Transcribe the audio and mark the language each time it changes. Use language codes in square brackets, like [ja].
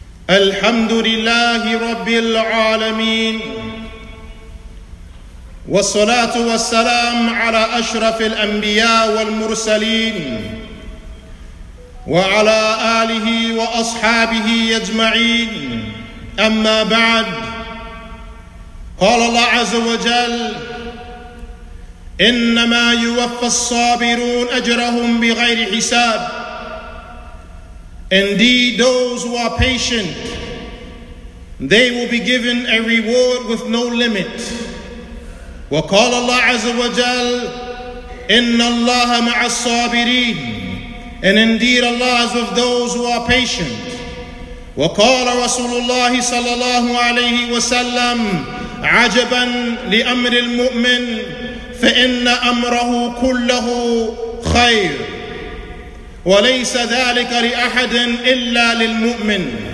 [ar] الحمد لله رب العالمين والصلاة والسلام على أشرف الأنبياء والمرسلين وعلى آله وأصحابه أجمعين. أما بعد، قال الله عز وجل: إنما يوفى الصابرون أجرهم بغير حساب. [en] Indeed, those who are patient, they will be given a reward with no limit. [ar] وَقَالَ اللَّهُ عَزَّ وَجَلَّ إِنَّ اللَّهَ مَعَ الصَّابِرِينَ. [en] And indeed, Allah is with those who are patient. [ar] وَقَالَ رَسُولُ اللَّهِ صَلَّى اللَّهُ عَلَيْهِ وَسَلَّمَ عَجَبًا لِأَمْرِ الْمُؤْمِنِ فَإِنَّ أَمْرَهُ كُلَّهُ خَيْرٌ وليس ذلك لأحد إلا للمؤمن